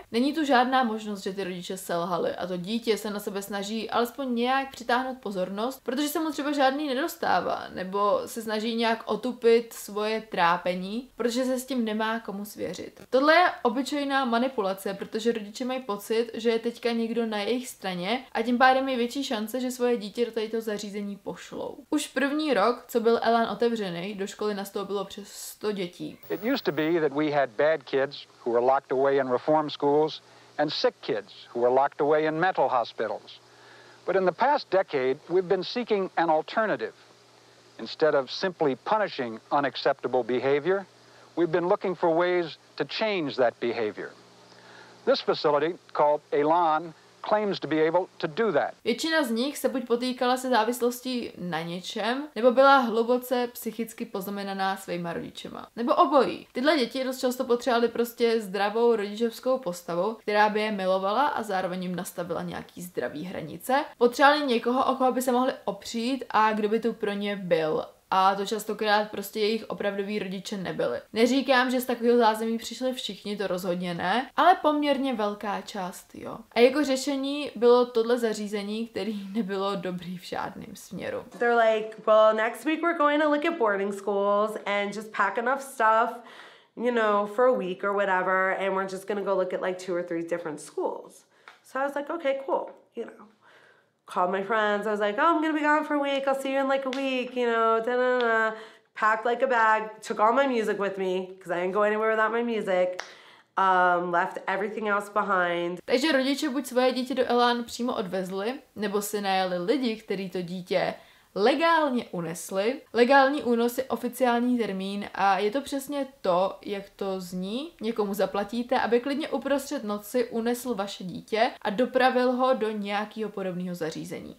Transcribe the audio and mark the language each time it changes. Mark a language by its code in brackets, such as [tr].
[cs] Není tu žádná možnost, že ty rodiče selhali a to dítě se na sebe snaží alespoň nějak přitáhnout pozornost, protože se mu třeba žádný nedostává, nebo se snaží nějak otupit svoje trápení, protože se s tím nemá komu svěřit. Tohle je obyčejná manipulace, protože rodiče mají pocit, že je teďka někdo na jejich straně a tím pádem je větší šance, že svoje dítě tady to zařízení pošlou. Už první rok, co byl Elan otevřený, do školy nastoupilo přes 100 dětí. [en] It used to be that we had bad kids who were locked away in reform schools and sick kids who were locked away in mental hospitals. But in the past decade, we've been seeking an alternative. Instead of simply punishing unacceptable behavior, we've been looking for ways to change that behavior. This facility called Elan claims to be able to do that. [cs] Většina z nich se buď potýkala se závislostí na něčem, nebo byla hluboce psychicky poznamenaná svýma rodičema. Nebo obojí. Tyhle děti dost často potřebovaly prostě zdravou rodičovskou postavu, která by je milovala a zároveň jim nastavila nějaký zdravý hranice. Potřebovaly někoho, o koho by se mohli opřít a kdo by tu pro ně byl. A to častokrát prostě jejich opravdoví rodiče nebyli. Neříkám, že z takového zázemí přišli všichni, to rozhodně ne, ale poměrně velká část, jo. A jako řešení bylo tohle zařízení, který nebylo dobrý v žádném směru. [en] They're like, well, next week we're going to look at boarding schools and just pack enough stuff, you know, for a week or whatever, and we're just gonna go look at like 2 or 3 different schools. So I was like, okay, cool, you know. Called my friends. I was like, oh, I'm gonna be gone for a week. I'll see you in like a week, you know, da-da-da-da. Packed like a bag, took all my music with me, because I didn't go anywhere without my music. Left everything else behind. [cs] Takže rodiče buď svoje dítě do Elan přímo odvezli, nebo si najali lidi, který to dítě legálně unesli. Legální únos je oficiální termín a je to přesně to, jak to zní. Někomu zaplatíte, aby klidně uprostřed noci unesl vaše dítě a dopravil ho do nějakého podobného zařízení.